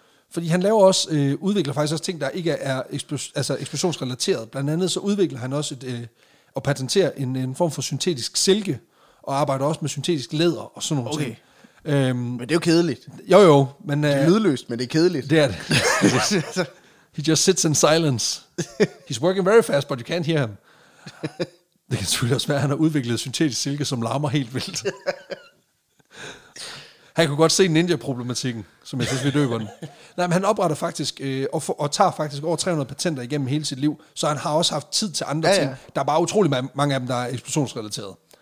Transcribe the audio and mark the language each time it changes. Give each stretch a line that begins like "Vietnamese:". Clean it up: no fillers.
Danish: Fordi han laver også udvikler faktisk også ting, der ikke er eksplosionsrelateret. Blandt andet så udvikler han også og patenterer en form for syntetisk silke, og arbejder også med syntetisk læder og sådan nogle ting. Men det er jo kedeligt. Jo, men... Det er lydløst, men det er kedeligt. Det er det.
English: He just sits in silence. He's working very fast, but you can't hear him.
Danish: Det kan selvfølgelig også være, at han har udviklet syntetisk silke, som larmer helt vildt. Han kunne godt se ninja-problematikken, som jeg synes, vi døber den. Nej, men han opretter faktisk, og tager faktisk over 300 patenter igennem hele sit liv, så han har også haft tid til andre ting. Der er bare utrolig mange af dem, der er eksplosionsrelateret.